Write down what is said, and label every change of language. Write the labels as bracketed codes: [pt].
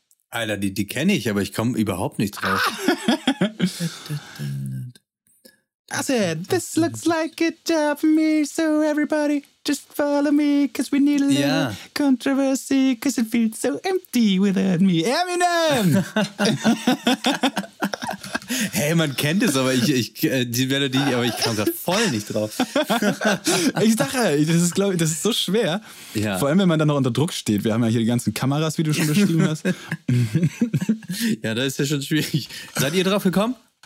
[de] Alter, die kenne ich, aber ich komme überhaupt nicht drauf. [en] I said, this looks like a job for me, so everybody just follow me, cause we need a little controversy, cause it feels so empty without me. Eminem! [de] Hey, man kennt es, aber ich die Melodie, aber ich kam gerade voll nicht drauf. Ich dachte, das ist, glaube ich, das ist so schwer. Ja. Vor allem, wenn man dann noch unter Druck steht. Wir haben ja hier die ganzen Kameras, wie du schon beschrieben hast. Ja, das ist ja schon schwierig. Seid ihr drauf gekommen?